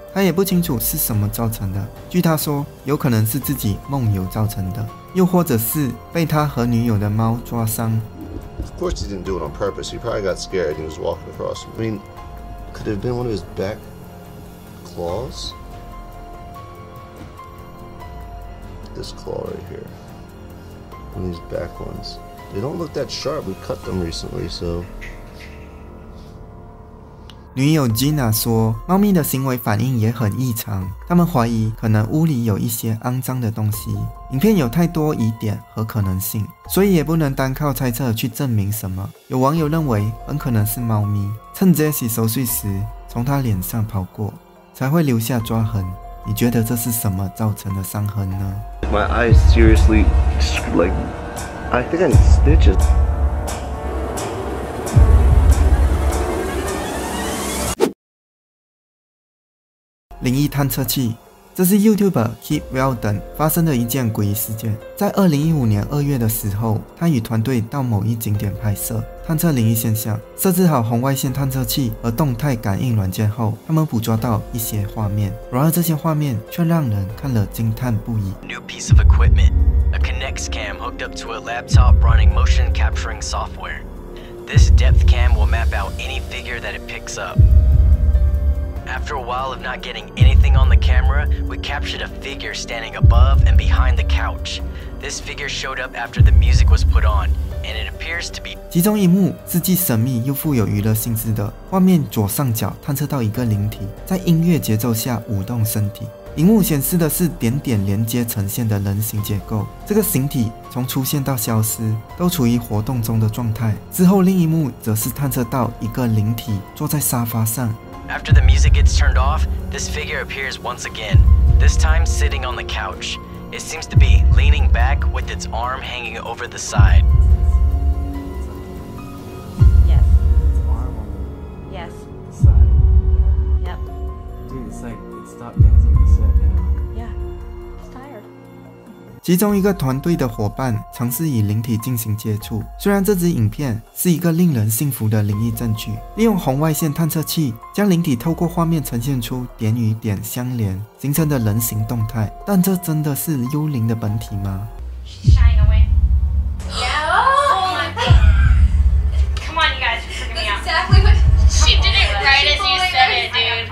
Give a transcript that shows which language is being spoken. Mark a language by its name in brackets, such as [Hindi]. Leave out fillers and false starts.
[Chinese] 他也不清楚是什么造成的，据他说有可能是自己梦游造成的，又或者是被他和女友的猫抓伤。 [English] Of course he didn't do it on purpose. He probably got scared and he was walking across. I mean, could it have been one of his back claws? This claw right here. One of these back ones. They don't look that sharp. We cut them recently, so... [Chinese] 女友 Gina 说，猫咪的行为反应也很异常，他们怀疑可能屋里有一些肮脏的东西。影片有太多疑点和可能性，所以也不能单靠猜测去证明什么。有网友认为很可能是猫咪趁 Jesse 熟睡时从他脸上跑过，才会留下抓痕。你觉得这是什么造成的伤痕呢？ [English] My eyes seriously, like, I think I need stitches. [Chinese] 灵异探测器，这是 YouTuber Keep Weldon 发生的一件诡异事件。在2015年2月的时候，他与团队到某一景点拍摄探测灵异现象，设置好红外线探测器和动态感应软件后，他们捕捉到一些画面，然而这些画面却让人看了惊叹不已。 [English] New piece of equipment, a Kinect cam hooked up to a laptop running motion capturing software. This depth cam will map out any figure that it picks up. After a while of not getting anything on the camera, we captured a figure standing above and behind the couch. This figure showed up after the music was put on, and it appears to be. [Chinese] 其中一幕是既神秘又富有娱乐性质的，画面左上角探测到一个灵体在音乐节奏下舞动身体。荧幕显示的是点点连接呈现的人形结构，这个形体从出现到消失都处于活动中的状态。之后另一幕则是探测到一个灵体坐在沙发上。 [English] After the music gets turned off, this figure appears once again, this time sitting on the couch. It seems to be leaning back with its arm hanging over the side. Yes. Its arm on the... Yes. The side. Yep. Dude, it's like, it stopped dancing and sat down. Yeah. It's tired. [Chinese] 其中一个团队的伙伴尝试与灵体进行接触，虽然这支影片是一个令人信服的灵异证据，利用红外线探测器将灵体透过画面呈现出点与点相连形成的人形动态，但这真的是幽灵的本体吗？ [English] She's shying away. Yeah. Oh my god. Come on, you guys, you're freaking me out. Exactly what she did it right as you said it, dude.